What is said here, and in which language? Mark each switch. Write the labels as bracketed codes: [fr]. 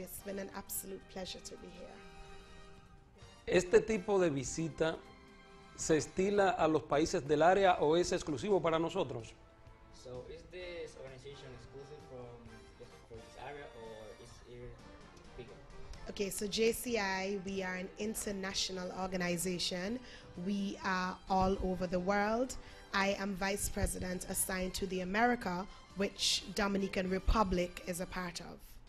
[en] It's been an absolute pleasure to be here. [es] ¿Este tipo de visita se estila a los países del área o es exclusivo para nosotros? [en] So, is this organization exclusive from this area or is it bigger? Okay, so JCI, we are an international organization. We are all over the world. I am vice president assigned to the America, which Dominican Republic is a part of.